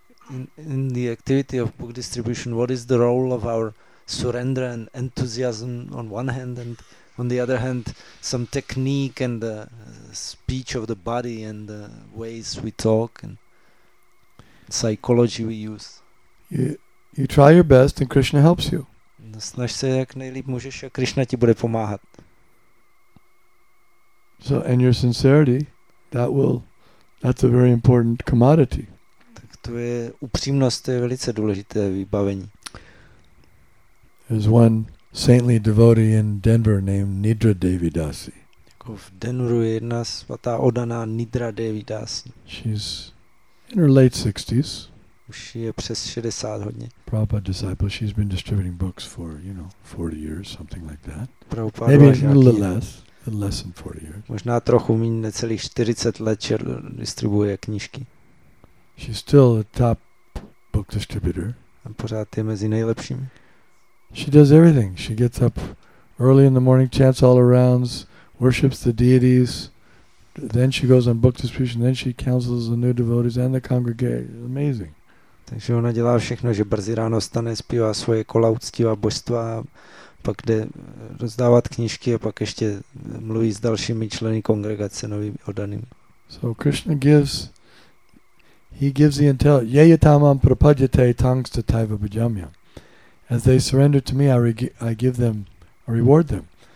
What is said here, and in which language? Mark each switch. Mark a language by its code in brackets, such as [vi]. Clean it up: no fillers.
[en] In the activity of book distribution, what is the role of our surrender and enthusiasm on one hand, and on the other hand, some technique and the speech of the body and the ways we talk and psychology we use. You try your best and Krishna helps you. [cs] Snaž se jak nejlíp můžeš a Krishna ti bude pomáhat. [en] So, and your sincerity, that's a very important commodity. [cs] Tak to je upřímnost, to je velice důležité vybavení. [en] There's one saintly devotee in Denver named Nidra Devi Dasi. [cs] V Denveru je jedna svatá oddaná Nidra Devi Dasi. [en] She's in her late 60s. [cs] Už je přes 60 hodně. [en] Prabhupada disciple, she's been distributing books for, you know, 40 years, something like that. Prabhupada maybe a little less, than 40 years. [cs] Možná trochu míň, necelých 40 let distribuuje knížky. [en] She's still a top book distributor. [cs] A pořád je mezi nejlepšími. [en] She does everything. She gets up early in the morning, chants all around, worships the deities. Then she goes on book distribution, then she counsels the new devotees and the congregation. Amazing. [cs] Takže ona dělá všechno, že brzy ráno stane, zpívá svoje kola uctívá božstva, pak jde rozdávat knížky a pak ještě mluví s dalšími členy kongregace novými oddanými. [en] So Krishna gives, he gives the intelligence. [sa] Yeyatamam prapadyate tangsta taiva bhajamya. [en] As they surrender to me, I give them, I reward them.